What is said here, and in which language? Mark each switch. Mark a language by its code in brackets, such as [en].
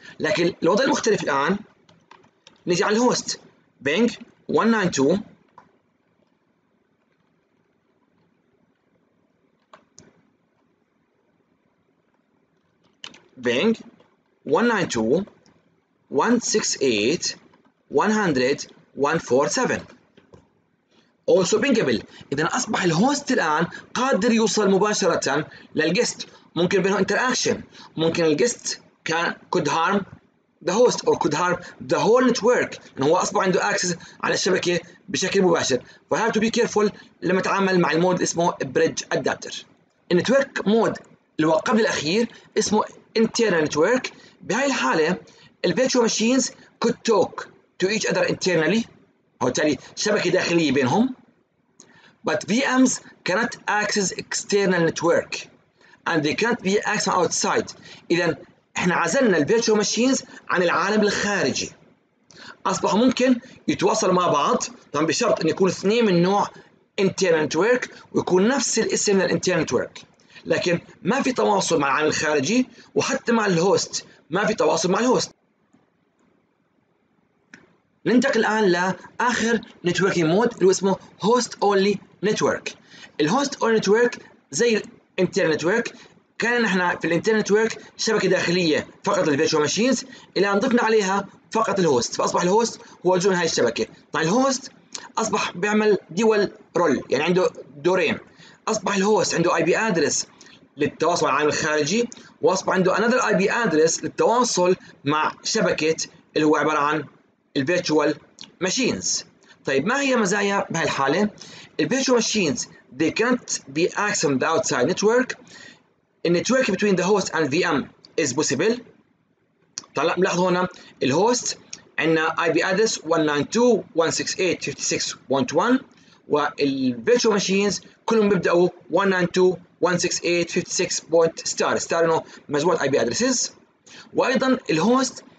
[ar] لكن الوضع المختلف الان نجي على الهوست بينج 192.168.100.147 [en] also bingable. [ar] إذن أصبح الهوست الآن قادر يوصل مباشرة للجست، ممكن بينه interaction، ممكن الجست كان [en] could harm the host or could harm the whole network، [ar] إنه هو أصبح عنده access على الشبكة بشكل مباشر. [en] We have to be careful [ar] لما تعامل مع المود اسمه [en] bridge adapter. [ar] النتورك مود اللي هو قبل الأخير اسمه internal network. بهاي الحالة ال virtual machines [en] could talk to each other internally، [ar] وبالتالي شبكة داخلية بينهم. [en] But VMs cannot access external network and they can't be accessed outside. [ar] إذن احنا عزلنا الـ virtual machines عن العالم الخارجي. أصبح ممكن يتواصل مع بعض، طبعا بشرط أن يكون اثنين من نوع internal network ويكون نفس الاسم للـ internal network. لكن ما في تواصل مع العالم الخارجي، وحتى مع الهوست ما في تواصل مع الهوست. ننتقل الآن لآخر نتوركينج مود اللي اسمه host only network. ال host only network زي ال internal network، كان نحن في ال internal network شبكة داخلية فقط لل virtual machines، الآن ضفنا عليها فقط ال host، فأصبح ال host هو جزء من هاي الشبكة. طيب ال host أصبح بيعمل dual role، يعني عنده دورين. أصبح ال host عنده IP address للتواصل مع العالم الخارجي، وأصبح عنده another IP address للتواصل مع شبكة اللي هو عبارة عن الـ virtual machines. طيب ما هي مزايا بهالحالة؟ الـ virtual machines [en] they can't be accessed from the outside network. The network between the host and VM is possible. [ar] طلع ملاحظ هنا الـ host عندنا IP address 192.168.56.1، والـ virtual machines كلهم بيبدأوا 192.168.56. star star إنه مجموعة IP addresses. وأيضا الـ host